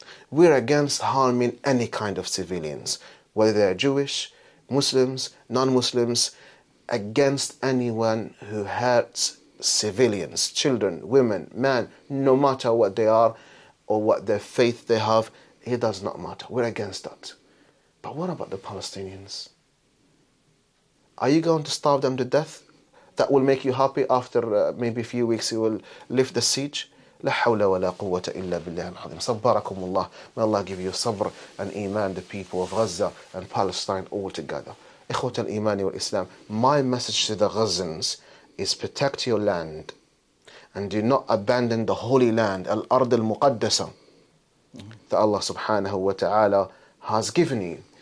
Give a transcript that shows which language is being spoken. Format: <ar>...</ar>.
<en>We're against harming any kind of civilians, whether they're Jewish, Muslims, non-Muslims, against anyone who hurts civilians, children, women, men, no matter what they are or what their faith they have, it does not matter. We're against that. But what about the Palestinians? Are you going to starve them to death? That will make you happy after maybe a few weeks you will lift the siege?</en> <ar>لا حول ولا قوة إلا بالله العظيم. صبركم الله.</ar> <en>May Allah give you sabr and iman, the people of Gaza and Palestine all together.</en> <ar>إخوتي الإيمان والإسلام,</ar> <en>my message to the Gazans is protect your land and do not abandon the holy land,</en> <ar>الأرض المقدسة,</ar> <en>that Allah subhanahu wa ta'ala has given you.</en>